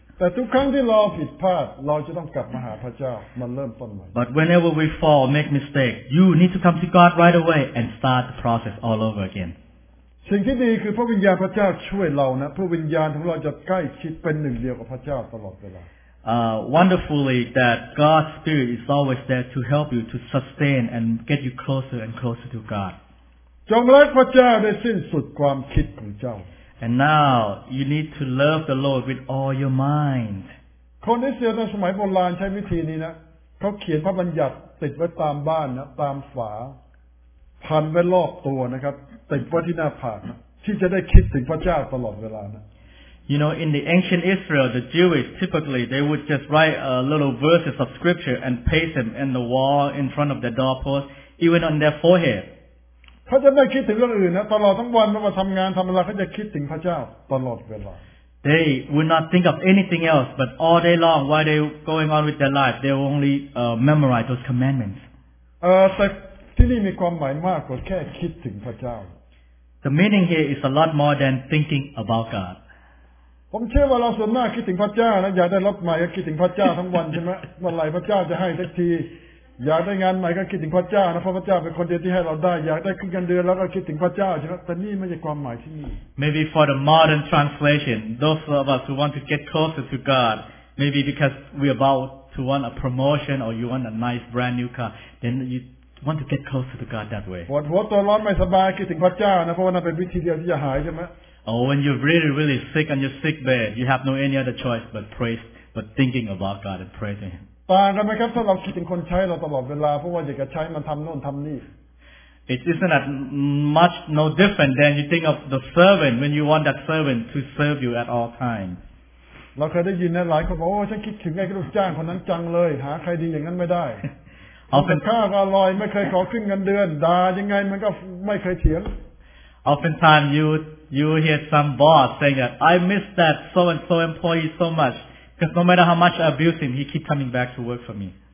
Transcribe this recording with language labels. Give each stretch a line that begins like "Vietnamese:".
Thai: แต่ทุกครั้งที่เราผิดพลาดเราจะต้องกลับมาหาพระเจ้ามาเริ่มต้นใหม่
English: But whenever we fall make mistake you need to come to God right away and start the process all over again
Thai: สิ่งที่ดีคือพระวิญญาณพระเจ้าช่วยเรานะพระวิญญาณของเราจะใกล้ชิดเป็นหนึ่งเดียวกับพระเจ้าตลอดเวลา
English: Wonderfully that God's spirit is always there to help you to sustain and get you closer and closer to God
Thai: จงรักพระเจ้าในสิ้นสุดความคิดของเจ้า
English: And now you need to love the Lord with all your mind.
Thai: คนอิสราเอลในสมัยโบราณใช้วิธีนี้นะเขาเขียนพระบัญญัติติดไว้ตามบ้านนะตามฝาพันไว้รอบตัวนะครับติดไว้ที่หน้าผากที่จะได้คิดถึงพระเจ้าตลอดเวลานะ
English: You know, in the ancient Israel, the Jewish typically they would just write a little verses of scripture and paste them in the wall in front of their doorpost, even on their forehead.
Thai: เขาจะไม่คิดถึงเรื่องอื่นนะตลอดทั้งวันไม่ว่าทำงานทำอะไรเขาจะคิดถึงพระเจ้าตลอดเวลา
English: They would not think of anything else but all day long while they going on with their life they only memorize those commandments
Thai: แต่ที่นี่มีความหมายมากกว่าแค่คิดถึงพระเจ้า
English: The meaning here is a lot more than thinking about God
Thai: ผมเชื่อว่าเราส่วนมากคิดถึงพระเจ้านะอยากได้รถใหม่ก็คิดถึงพระเจ้าทั้งวันใช่ไหมเมื่อไหร่พระเจ้าจะให้สักทีอยากได้งานใหม่ก็คิดถึงพระเจ้านะเพราะพระเจ้าเป็นคนเดียวที่ให้เราได้อยากได้ขึ้นเงินเดือนแล้วก็คิดถึงพระเจ้าใช่ไหมแต่นี่ไม่ใช่ความหมายที่นี่
English: Maybe for the modern translation those of us who want to get closer to God maybe because we're about to want a promotion or you want a nice brand new car then you want to get closer to God that way
Thai: ปวดหัวตัวร้อนไม่สบายคิดถึงพระเจ้านะเพราะว่านั่นเป็นวิธีเดียวที่จะหายใช่ไหม
English: Oh when you're really sick on your sick bed you have no any other choice but thinking about God and praising Him.
Thai: ต่างกันไหมครับถ้าเราคิดถึงคนใช้เราตลอดเวลาเพราะว่าอยากจะใช้มันทำโน่นทำนี่
English: It isn't that much no different than you think of the servant when you want that servant to serve you at all times
Thai: เราเคยได้ยินนะหลายคนบอกโอ้ฉันคิดถึงไอ้ลูกจ้างคนนั้นจังเลยหาใครดีอย่างนั้นไม่ได้เอาเป็นค่าก็อร่อยไม่เคยขอขึ้นเงินเดือนด่ายังไงมันก็ไม่เคยเถียง
English: Often time you hear some boss saying that I miss that so and so employee so muchBecause no matter how much I abuse him, he keeps coming back to work for me.